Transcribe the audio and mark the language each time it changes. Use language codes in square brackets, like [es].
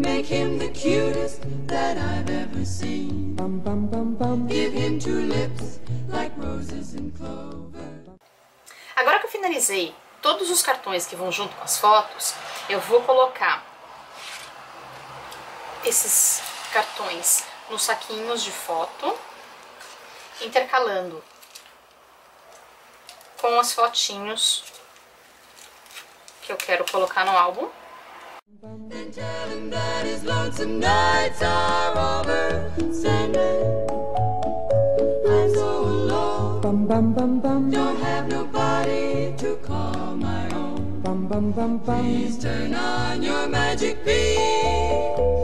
[en] Make him the cutest that I've ever seen. Give him two lips like roses and clover. [pt] Agora que eu finalizei todos os cartões que vão junto com as fotos, eu vou colocar esses cartões nos saquinhos de foto, intercalando com as fotinhos que eu quero colocar no álbum. [en] And tell him that his lonesome nights are over. Sandman, I'm so alone. Bum, bum, bum, bum. Don't have nobody to call my own. Bum, bum, bum, bum. Please turn on your magic beam.